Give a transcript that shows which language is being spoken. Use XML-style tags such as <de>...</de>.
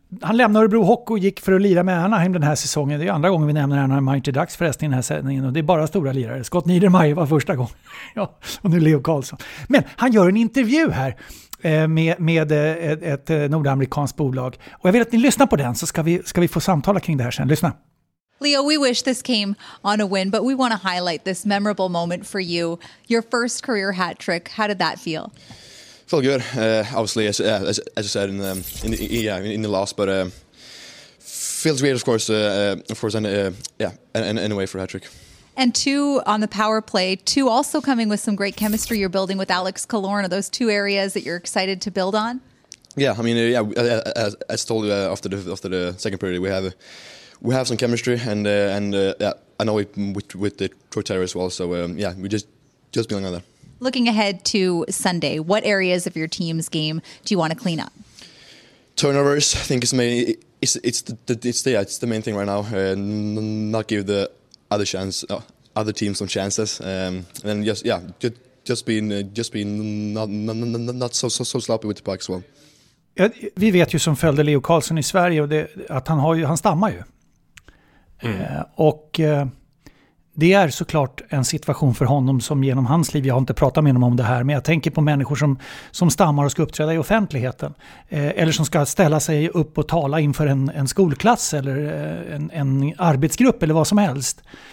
<sv>Han lämnade Örebro Hockey och gick för att lira med Anaheim den här säsongen. Det är andra gången vi nämner Anaheim Mighty Ducks förresten i den här sändningen. Och det är bara stora lirare. Scott Niedermayer var första gången. Ja, och nu Leo Karlsson. Men han gör en intervju här med ett nordamerikanskt bolag. Och jag vill att ni lyssnar på den, så ska vi få samtala kring det här sen. Lyssna.</sv> <en>Leo, we wish this came on a win, but we want to highlight this memorable moment for you. Your first career hat trick. How did that feel? Felt good. Obviously, as I said in the last, but feels great, of course, and away for hat trick. And two on the power play, two also coming with some great chemistry you're building with Alex Killorn. Are those two areas that you're excited to build on? Yeah, I mean, as I told you after the second period, we have some chemistry, and I know it with the Troy Terry as well. So we just building on that. Looking ahead to Sunday, what areas of your team's game do you want to clean up? Turnovers, I think it's the main thing right now. Not give the other teams some chances, and just being not so sloppy with the puck as well.</en> <sv>Vi vet ju som följde Leo Carlsson i Sverige att han stammar ju. Och det är såklart en situation för honom som genom hans liv, jag har inte pratat med honom om det här, men jag tänker på människor som stammar och ska uppträda i offentligheten eller som ska ställa sig upp och tala inför en skolklass eller en arbetsgrupp eller vad som helst.</sv>